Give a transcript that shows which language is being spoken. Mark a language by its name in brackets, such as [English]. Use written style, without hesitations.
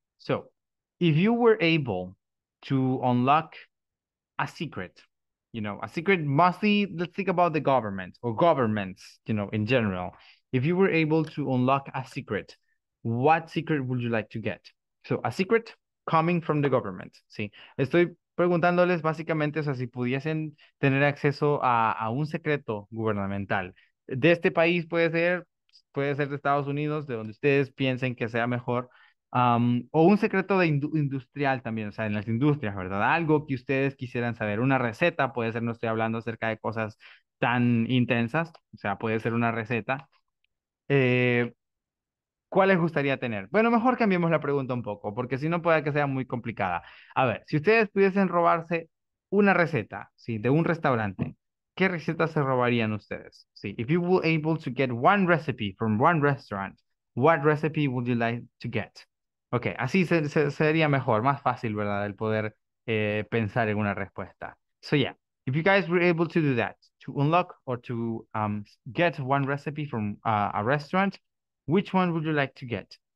[English] So if you were able to unlock a secret, you know, a secret mostly, let's think about the government or governments, you know, in general, if you were able to unlock a secret, what secret would you like to get? So, a secret coming from the government. [Spanish] Sí, estoy preguntándoles básicamente, o sea, si pudiesen tener acceso a un secreto gubernamental, de este país puede ser de Estados Unidos, de donde ustedes piensen que sea mejor, o un secreto de industrial también, o sea, en las industrias, ¿verdad? Algo que ustedes quisieran saber, una receta, puede ser, no estoy hablando acerca de cosas tan intensas, o sea, puede ser una receta. ¿Cuál les gustaría tener? Bueno, mejor cambiemos la pregunta un poco, porque si no puede que sea muy complicada. A ver, si ustedes pudiesen robarse una receta, sí, de un restaurante, ¿qué receta se robarían ustedes? [English] Sí, if you were able to get one recipe from one restaurant, what recipe would you like to get? [Spanish] Okay, así sería mejor, más fácil, ¿verdad? El poder pensar en una respuesta. [English] So yeah, if you guys were able to do that, to unlock or to get one recipe from a restaurant, which one would you like to get?